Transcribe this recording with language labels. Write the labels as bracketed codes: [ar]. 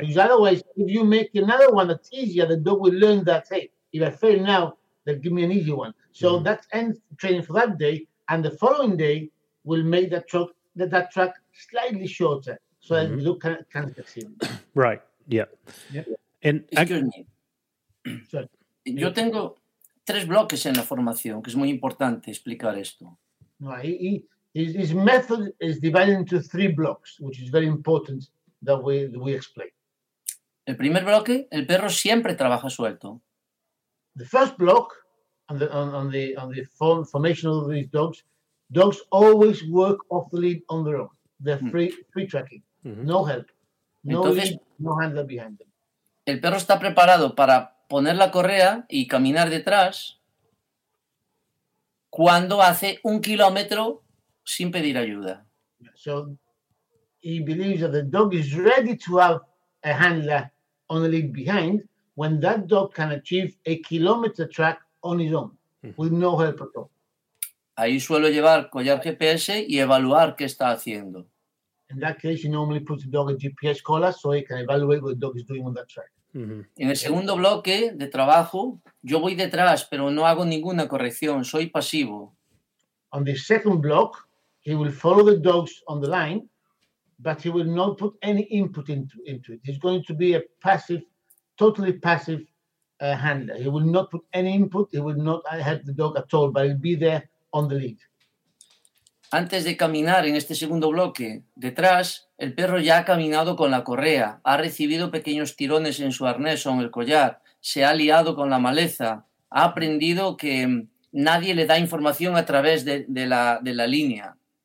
[en] Because otherwise, if you make another one that's easier, the dog will learn that, hey, if I fail now, they'll give me an easy one. So mm-hmm. that ends training for that day, and the following day will make that track slightly shorter so mm-hmm. that the dog can succeed. Right. Yeah. [es] And yo tengo tres bloques en la formación, que es muy importante explicar esto. [en] No, his method is divided into three blocks, which is very important that we explain. [es] El primer bloque, el perro siempre trabaja suelto. [en] The first block, on the formation of these dogs always work off the lead on their own. They're free tracking, mm-hmm. no help, no handler behind them. [es] El perro está preparado para poner la correa y caminar detrás cuando hace un kilómetro sin pedir ayuda. [en] So he believes that the dog is ready to have a handler on the lead behind when that dog can achieve a kilometer track on his own with no help at all. [es] Ahí suelo llevar collar GPS y evaluar qué está haciendo. [en] In that case, you normally put the dog a GPS collar so he can evaluate what the dog is doing on that track. [es] Mm-hmm. En el segundo bloque de trabajo, yo voy detrás, pero no hago ninguna corrección, soy pasivo. [en] On the second block, he will follow the dogs on the line, but he will not put any input into it. He's going to be a passive, totally passive handler. He will not put any input, he will not help the dog at all, but he'll be there on the lead. [es] Antes de caminar en este segundo bloque detrás, el perro ya ha caminado con la correa, ha recibido pequeños tirones en su arnés o en el collar, se ha liado con la maleza, ha aprendido que nadie le da información a través de la línea.